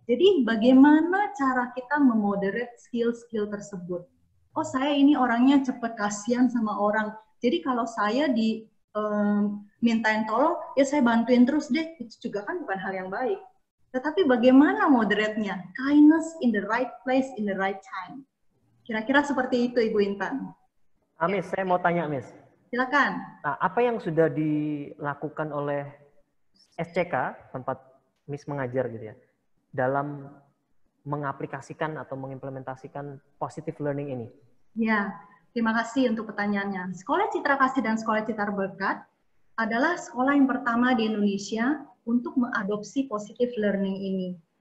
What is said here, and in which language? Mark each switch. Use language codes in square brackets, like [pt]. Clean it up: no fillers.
[id] Jadi bagaimana cara kita memoderate skill-skill tersebut? Oh saya ini orangnya cepat kasihan sama orang. Jadi kalau saya dimintain tolong, ya saya bantuin terus deh. Itu juga kan bukan hal yang baik. Tetapi bagaimana moderate-nya? [en] Kindness in the right place, in the right time. [id] Kira-kira seperti itu Ibu Intan. Miss, saya mau tanya Miss. Silakan. Nah, apa yang sudah dilakukan oleh SCK, tempat Miss mengajar gitu ya, dalam mengaplikasikan atau mengimplementasikan positive learning ini? Ya, terima kasih untuk pertanyaannya. Sekolah Citra Kasih dan Sekolah Citar Berkat adalah sekolah yang pertama di Indonesia untuk mengadopsi positive learning ini.